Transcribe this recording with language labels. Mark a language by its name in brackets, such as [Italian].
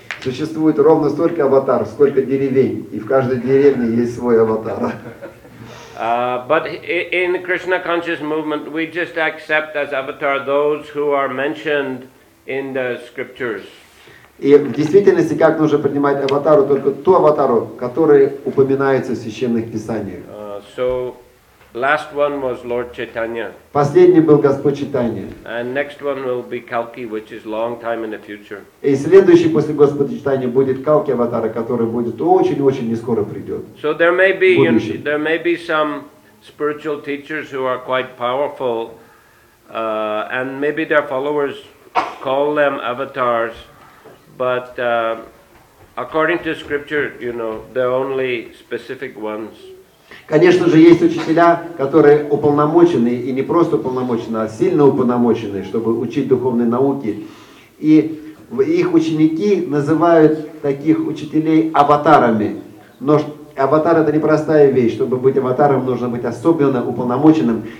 [Russian] Существует ровно столько аватаров, сколько деревень, и в каждой деревне есть свой аватар. [English] But in Krishna conscious movement, we just accept as avatar those who are mentioned in the scriptures. [Russian] И в действительности, как нужно принимать аватару, только ту аватару, которая упоминается в священных писаниях. [English] So, last one was Lord Chaitanya. [Russian] Последний был Господь Чайтанья. [English] And next one will be Kalki, which is long time in the future. [Russian] И следующий после Господа Чайтанья будет Калки аватара, который будет очень-очень нескоро придет. [English] So there may be, you know, there may be some spiritual teachers who are quite powerful, and maybe their followers call them avatars, but according to scripture, you know, they're only specific ones. [Russian] Конечно же, есть учителя, которые уполномочены, и не просто уполномочены, а сильно уполномочены, чтобы учить духовные науки. И их ученики называют таких учителей аватарами. Но аватар — это непростая вещь. Чтобы быть аватаром, нужно быть особенно уполномоченным.